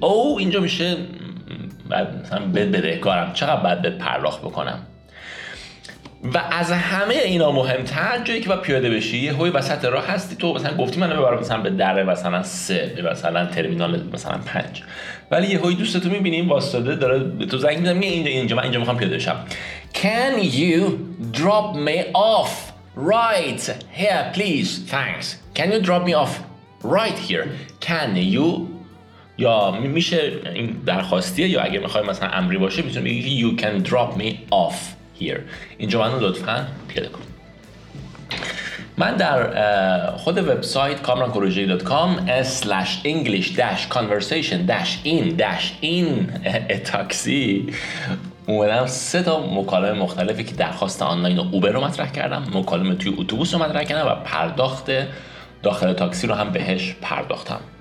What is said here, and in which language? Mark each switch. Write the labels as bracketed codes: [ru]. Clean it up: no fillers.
[fa] Owe اینجا میشه مثلا بدهکارم، چقدر باید پرداخت بکنم. و از همه اینا مهمتر، جایی که با پیاده بشی یه هوی وسط راه هستی، تو مثلا گفتی منو ببر مثلا به در مثلا 3، به مثلا ترمینال مثلا 5، ولی یه هوی دوستتو میبینی واسطه داره به تو زنگ میزنه، اینجا میخوام پیاده بشم. [en] Can you drop me off right here please? Thanks. Can you drop me off right here? [fa] Can you، یا میشه این درخواستیه، یا اگه میخوای مثلا امری باشه میتونی بگی [en] you can drop me off here. [fa] اینجا منو لطفاً پیاده کن. من در خود وبسایت kamrankorojee.com/english-conversation-in-in-taxi اومدم سه تا مکالمه مختلفی که درخواست آنلاین اوبر رو مطرح کردم، مکالمه توی اتوبوس رو مطرح کردم و پرداخت داخل تاکسی رو هم بهش پرداختم.